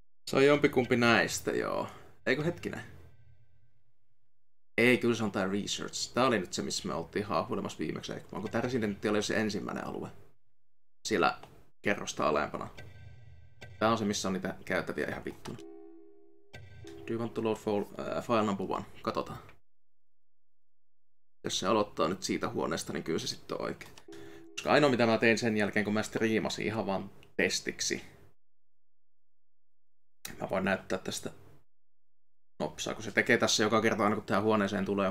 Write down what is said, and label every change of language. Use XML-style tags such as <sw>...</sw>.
<fi>Se on jompikumpi näistä, joo. Eikö hetkinen? Ei, kyllä se on tää Research. Tää oli nyt se, missä me oltiin haahuilemassa viimeksi. Onko tää Resident Evil se ensimmäinen alue? Siellä kerrosta alempana. Tää on se, missä on niitä käytäviä ihan vittuna.</fi> <en>Do you want to load file number one?</en> <fi>Katotaan. Jos se aloittaa nyt siitä huoneesta, niin kyllä se sitten on oikein. Koska ainoa mitä mä tein sen jälkeen, kun mä striimasin ihan vaan testiksi. Mä voin näyttää tästä nopsaa, kun se tekee tässä joka kerta aina kun tähän huoneeseen tulee.</fi>